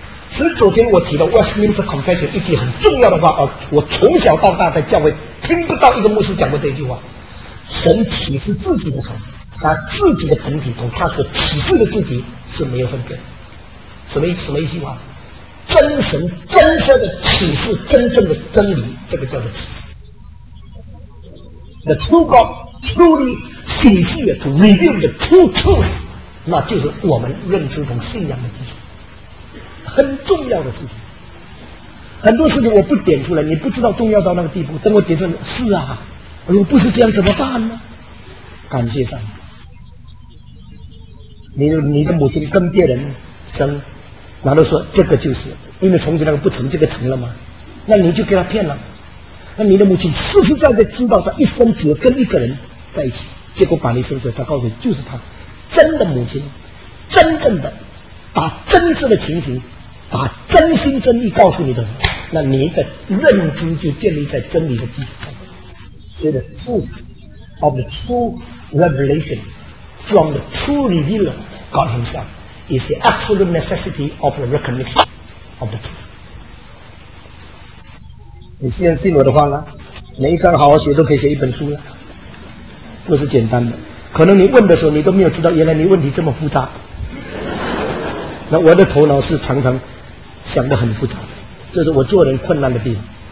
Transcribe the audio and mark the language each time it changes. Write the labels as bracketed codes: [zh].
[zh] 所以昨天我提了 Westminster Confession 一句很重要的话，我从小到大在教会听不到一个牧师讲过这句话。神启示自己的时候，他自己的本体同他所启示的自己是没有分别的。什么一句话？真神真实的启示真正的真理，这个叫做启示。 [en] The true God truly sincere to reveal the true truth， [zh] 那就是我们认知同信仰的基础，很重要的事情。很多事情我不点出来，你不知道重要到那个地步。等我点出来，是啊，如果不是这样怎么办呢？感谢上帝，你的母亲跟别人生，然后说这个就是，因为从前那个不成，这个成了吗？那你就给他骗了。那你的母亲实实在在知道他一生只跟一个人在一起，结果把你生出来，他告诉你就是他真的母亲，真正的把真实的情形，把真心真意告诉你的，那你的认知就建立在真理的基础上。所以 [en] the truth of the true revelation from the true revealer God himself is the absolute necessity of the recognition of the truth。 [zh] 你先信我的话了，每一章好好写都可以写一本书了，不是简单的。可能你问的时候你都没有知道，原来你问题这么复杂。那我的头脑是常常想得很复杂，这是我做人困难的地方。